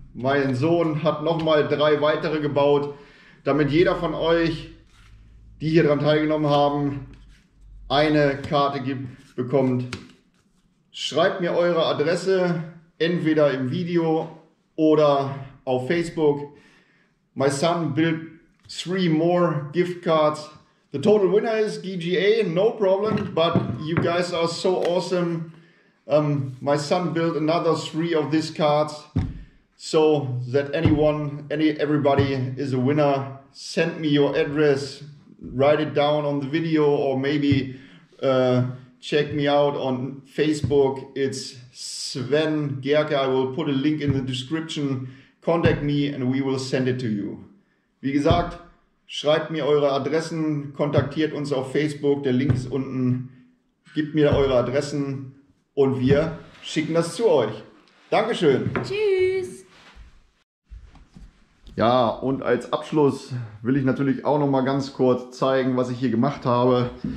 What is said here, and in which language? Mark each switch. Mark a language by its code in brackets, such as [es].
[de] Mein Sohn hat nochmal 3 weitere gebaut, damit jeder von euch die hier daran teilgenommen haben, eine Karte bekommt. Schreibt mir eure Adresse, entweder im Video oder auf Facebook. [en] My son built 3 more gift cards. The total winner is GGA, no problem, but you guys are so awesome. My son built another 3 of these cards. So that anyone, everybody is a winner. Send me your address, write it down on the video, or maybe check me out on Facebook. It's Sven Gerke. I will put a link in the description. Contact me and we will send it to you. [de] Wie gesagt, schreibt mir eure Adressen, kontaktiert uns auf Facebook, der Link ist unten. Gebt mir eure Adressen und wir schicken das zu euch. Dankeschön. Tschüss. Ja, und als Abschluss will ich natürlich auch noch mal ganz kurz zeigen, was ich hier gemacht habe.